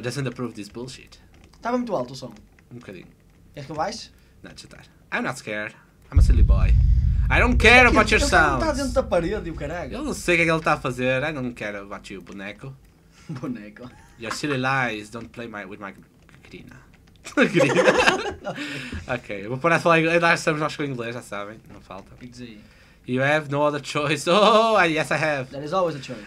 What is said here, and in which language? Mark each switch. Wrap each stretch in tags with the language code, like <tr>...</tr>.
<en>Doesn't approve this bullshit.</en> <pt>Estava muito alto o som. Um bocadinho. Queres que eu baixe? Não, já está.</pt> <en>I'm not scared. I'm a silly boy. I don't care about your sounds.</en> <pt>Ele está dentro da parede e o caralho. Eu não sei o que é que ele está a fazer.</pt> <en>I don't care about you, boneco.</en> <pt>Boneco.</pt> <en>Your silly lies don't play with my grina. Grina?</en> <pt>Ok, eu vou parar de falar inglês. Nós estamos nós com inglês, já sabem. Não falta. Exato.</pt> <en>You have no other choice. Oh, yes I have. There is always a choice.</en>